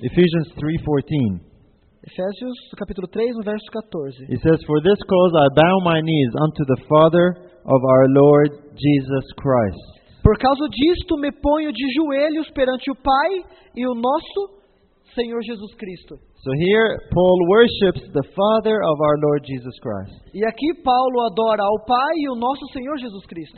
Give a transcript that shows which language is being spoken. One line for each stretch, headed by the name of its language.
English: Ephesians 3:14.
Portuguese: Efésios, capítulo 3, verso 14.
English: He says, for this cause I bow my knees unto the Father of our Lord Jesus Christ.
Portuguese: Por causa disto me ponho de joelhos perante o Pai e o nosso Senhor Jesus Cristo.
English: So here Paul worships the Father of our Lord Jesus Christ.
Portuguese: E aqui Paulo adora ao Pai e o nosso Senhor Jesus Cristo.